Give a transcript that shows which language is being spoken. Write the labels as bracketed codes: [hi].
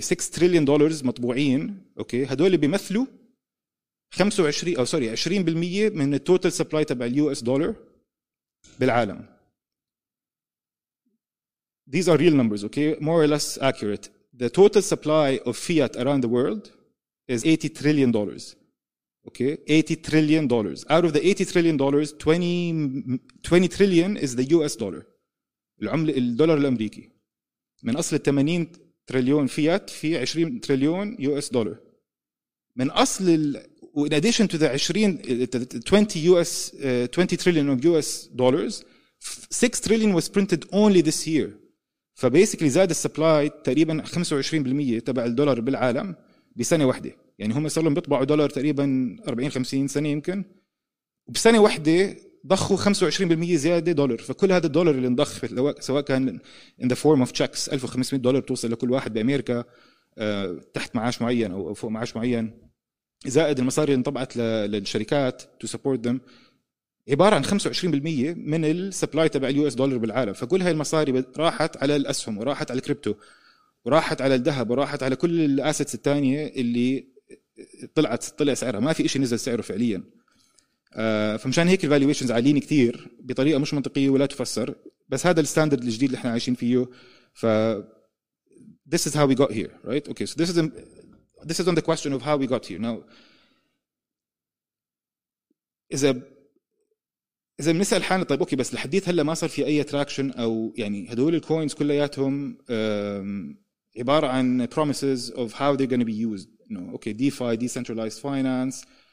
[ar] $6 trillion مطبوعين, okay, هدول اللي بيمثلوا 20% من التوتال سبلاي تبع اليو اس دولار بالعالم. [en] These are real numbers, okay, more or less accurate. The total supply of fiat around the world is $80 trillion, okay, $80 trillion. Out of the $80 trillion, 20 trillion is the US dollar, [ar] العمله الدولار الامريكي. من اصل 80 تريليون فيات في 20 تريليون يو اس دولار. من اصل ال, [en] in addition to the 20 trillion of US dollars, 6 trillion was printed only this year. [ar] فبيسكلي زاد السبلاي تقريبا 25% تبع الدولار بالعالم بسنه واحده. يعني هم صار لهم بيطبعوا دولار تقريبا 40-50 سنة يمكن, وبسنه واحده ضخوا 25% زياده دولار. فكل هذا الدولار اللي انضخ, سواء كان [en] in the form of checks, [ar] $1,500 توصل لكل واحد بامريكا تحت معاش معين او فوق معاش معين, زائد المصاري اللي انطبعت للشركات [en] to support them, [ar] عبارة عن 25% من السبلاي تبع اليو اس دولار بالعالم. فكل هاي المصاري راحت على الأسهم, وراحت على الكريبتو, وراحت على الذهب, وراحت على كل الأسيتس التانية اللي طلع سعرها. ما في إشي نزل سعره فعليا. فمشان هيك الفاليويشنز عاليين كتير بطريقة مش منطقية ولا تفسر. بس هذا الستاندرد الجديد اللي احنا عايشين فيه. [en] ف this is how we got here, right? Okay, so this is on the question of how we got here. [ar] Now, إذا بنسأل حالنا, طيب أوكي, بس لحديت هلا ما صار في أي attraction, أو يعني هدول الكوينز كلياتهم عبارة عن [en] promises of how they're going to be used. No, okay, DeFi, decentralized finance,